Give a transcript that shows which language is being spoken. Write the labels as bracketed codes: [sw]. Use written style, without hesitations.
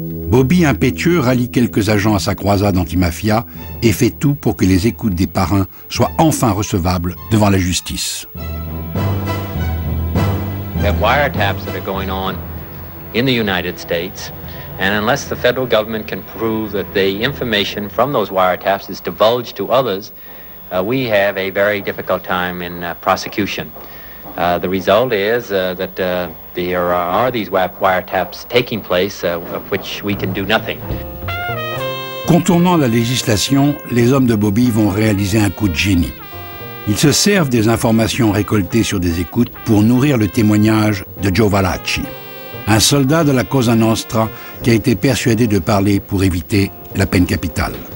[fr] Bobby, impétueux, rallie quelques agents à sa croisade anti-mafia et fait tout pour que les écoutes des parrains soient enfin recevables devant la justice. Les wiretaps qui sont en train de se passer aux États-Unis. [en] And unless the federal government can prove that the information from those wiretaps is divulged to others, we have a very difficult time in prosecution. The result is that there are these wiretaps taking place, of which we can do nothing. [fr] Contournant la législation, les hommes de Bobby vont réaliser un coup de génie. Ils se servent des informations récoltées sur des écoutes pour nourrir le témoignage de Joe Valachi, un soldat de la Cosa Nostra qui a été persuadé de parler pour éviter la peine capitale.